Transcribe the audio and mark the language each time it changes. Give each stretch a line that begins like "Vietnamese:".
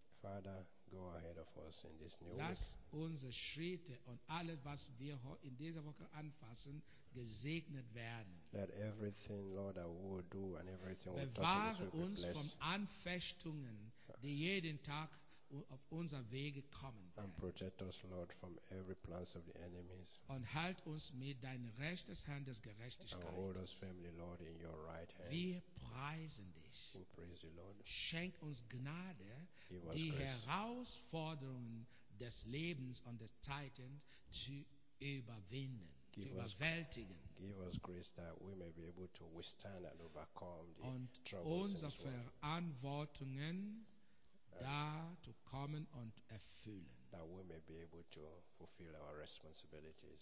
English: Father, go ahead of us in this new
German: lass Lass unsere Schritte und alles, was wir in dieser Woche anfassen, gesegnet werden.
English: Let everything, Lord, that we will do and everything we'll touch in this week
German: bewahre uns von Anfechtungen, die jeden Tag auf unser Wege kommen werden.
English: And protect us, Lord, from every plans of the enemies.
German: Und halt uns mit deiner rechten Hand des Gerechtigkeit.
English: And hold us firmly, Lord, in your right hand.
German: Wir preisen dich.
English: We praise you, Lord.
German: Schenk uns Gnade, die
English: grace.
German: Herausforderungen des Lebens und des Zeiten zu überwinden, überwältigen.
English: Give us grace that we may be able to withstand and overcome the
German: und
English: troubles.
German: Und unsere Verantwortungen da zu kommen und erfüllen.
English: That we may be able to fulfill our responsibilities.